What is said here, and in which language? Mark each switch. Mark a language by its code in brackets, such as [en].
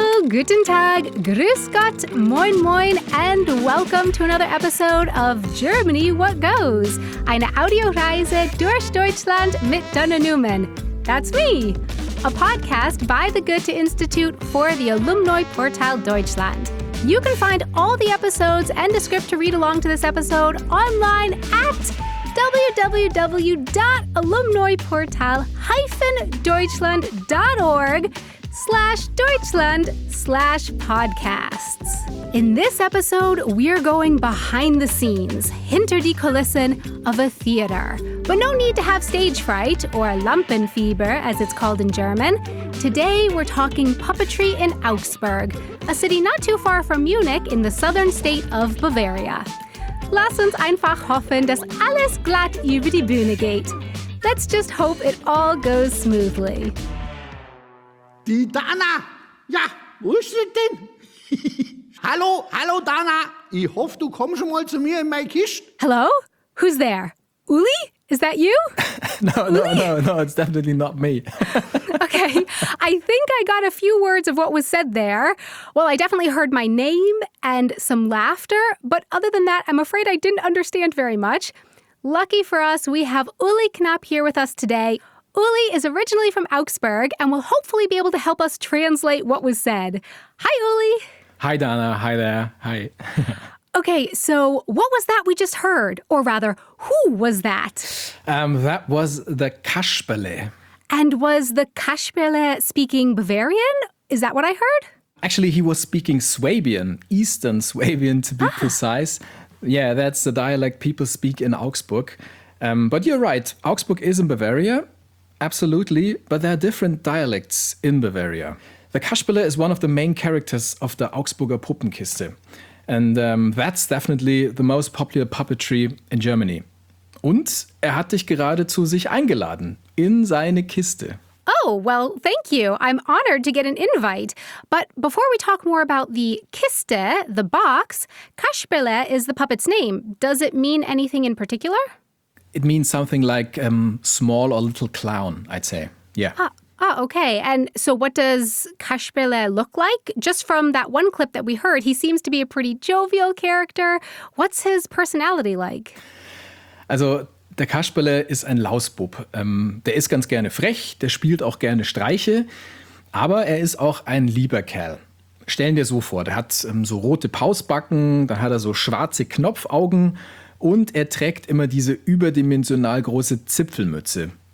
[de] Guten Tag, Grüß Gott, Moin Moin, [en] and welcome to another episode of Germany What Goes, [de] eine Audioreise durch Deutschland mit Donna Newman. [en] That's me, a podcast by the Goethe Institute for the Alumni Portal Deutschland. You can find all the episodes and a script to read along to this episode online at www.alumniportal-deutschland.org/deutschland/podcasts. In this episode, we're going behind the scenes, [de] hinter die Kulissen [en] of a theater. But no need to have stage fright, or Lampenfieber, as it's called in German. Today, we're talking puppetry in Augsburg, a city not too far from Munich in the southern state of Bavaria. [de] Lass uns einfach hoffen, dass alles glatt über die Bühne geht. [en] Let's just hope it all goes smoothly. [de] Die Dana! Ja, wo ist sie denn? Hallo, hallo Dana! Ich hoffe, du kommst schon mal zu mir in meine Kiste. [en] Hello? Who's there? Uli? Is that you? No, it's definitely not me. Okay, I think I got a few words of what was said there. Well, I definitely heard my name and some laughter, but other than that, I'm afraid I didn't understand very much. Lucky for us, we have Uli Knapp here with us today. Uli is originally from Augsburg and will hopefully be able to help us translate what was said. Hi, Uli. Hi, Dana. Hi there. Hi. Okay, so what was that we just heard? Or rather, who was that? That was the Kasperle. And was the Kasperle speaking Bavarian? Is that what I heard? Actually, he was speaking Swabian, Eastern Swabian to be precise. Yeah, that's the dialect people speak in Augsburg. But you're right, Augsburg is in Bavaria, absolutely, but there are different dialects in Bavaria. The Kasperle is one of the main characters of the Augsburger Puppenkiste. And that's definitely the most popular puppetry in Germany. [de] Und er hat dich gerade zu sich eingeladen, in seine Kiste. [en] Oh, well, thank you. I'm honored to get an invite. But before we talk more about the Kiste, the box, Kasperle is the puppet's name. Does it mean anything in particular? It means something like small or little clown, I'd say. Yeah. Ah, okay. And so what does Kasperle look like? Just from that one clip that we heard, he seems to be a pretty jovial character. What's his personality like? [de] Also, der Kasperle ist ein Lausbub. Der ist ganz gerne frech, der spielt auch gerne Streiche, aber er ist auch ein lieber Kerl. Stellen wir so vor, der hat so rote Pausbacken, dann hat er so schwarze Knopfaugen und er trägt immer diese überdimensional große Zipfelmütze.